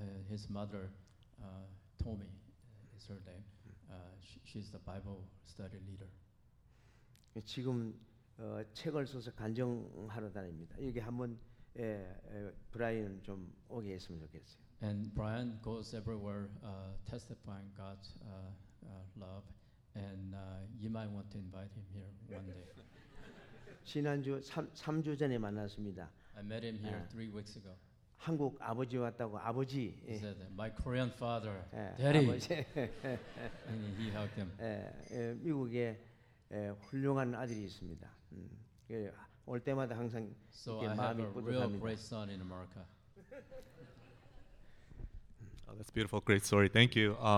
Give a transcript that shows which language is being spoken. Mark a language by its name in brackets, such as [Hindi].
[English] His mother, Tommy, is her name. She's the Bible study leader. [Korean] 지금 책을 써서 간증하러 다닙니다. 여기 한번 브라이언 좀 오게 했으면 좋겠어요. [English] And Brian goes everywhere, testifying God's love, and you might want to invite him here one day. [Korean] 지난주 3주 전에 만났습니다. [English] I met him here 3 weeks ago. [Korean] 한국 아버지 왔다고 아버지. [English] He said, "My Korean father, Daddy." 아버지. And he helped him. [Korean] 미국에 훌륭한 아들이 있습니다. 올 때마다 항상 [English] so [Korean] 이렇게 마음이 뿌듯합니다. [English] So I have a real great son in America. Oh, that's a beautiful, great story. Thank you.